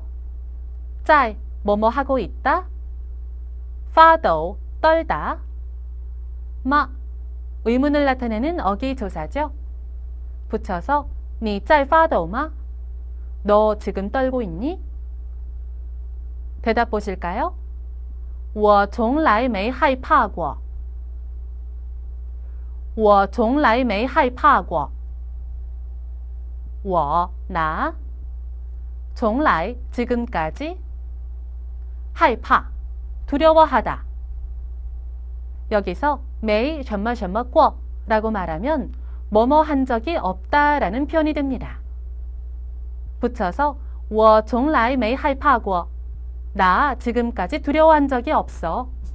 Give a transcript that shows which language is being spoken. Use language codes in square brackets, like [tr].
[zh] 你在发抖吗?你在发抖吗?你,너,在 [ko] 뭐뭐 하고 있다? [zh] 发抖, 떨다. [ko] 마, 의문을 나타내는 어기 조사죠. 붙여서 [zh] 你在发抖吗? [ko] 너 지금 떨고 있니? 대답 보실까요? [zh] 我从来没害怕过. 我从来没害怕过.我, 나. 从来, 지금까지. 害怕, 두려워하다. [ko] 여기서 [zh] 没, 什么什么过 [ko] 라고 말하면 뭐뭐 한 적이 없다 라는 표현이 됩니다. [zh] 붙여서 我从来没害怕过. [ko] 나, 지금까지 두려워한 적이 없어.